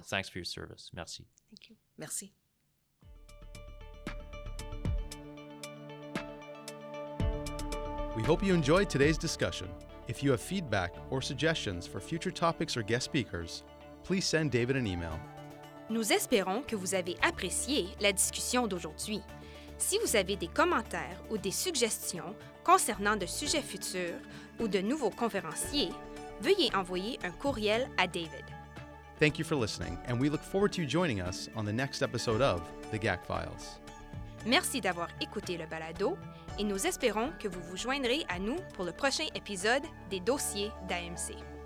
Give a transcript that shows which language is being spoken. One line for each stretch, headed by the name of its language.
English: Thanks for your service.
French: Merci.
English: Thank you.
French: Merci.
English: We hope you enjoyed today's discussion. If you have feedback or suggestions for future topics or guest speakers, please send David an email.
French: Nous espérons que vous avez apprécié la discussion d'aujourd'hui. Si vous avez des commentaires ou des suggestions concernant de sujets futurs ou de nouveaux conférenciers, veuillez envoyer un courriel à David.
English: Thank you for listening, and we look forward to you joining us on the next episode of The GAC Files.
French: Merci d'avoir écouté le balado, et nous espérons que vous vous joindrez à nous pour le prochain épisode des dossiers d'AMC.